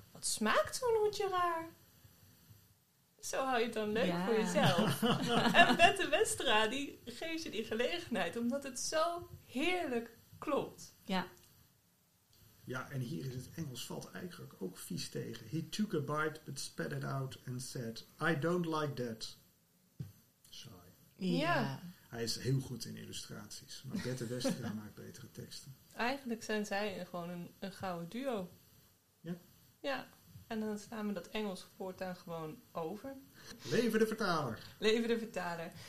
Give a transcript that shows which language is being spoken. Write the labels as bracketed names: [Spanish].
[Dutch] Wat smaakt zo'n hoedje raar. Zo hou je het dan leuk voor jezelf. En Bette Westra, die geeft je die gelegenheid. Omdat het zo heerlijk klopt. Ja. Ja, en hier is het Engels valt eigenlijk ook vies tegen. [English] He took a bite, but spat it out and said, I don't like that. Sorry. [Dutch] Ja. Hij is heel goed in illustraties. Maar Bette Westra maakt betere teksten. Eigenlijk zijn zij gewoon een gouden duo. Ja? Ja. En dan slaan we dat Engels voortaan gewoon over. Leven de vertaler. Leven de vertaler.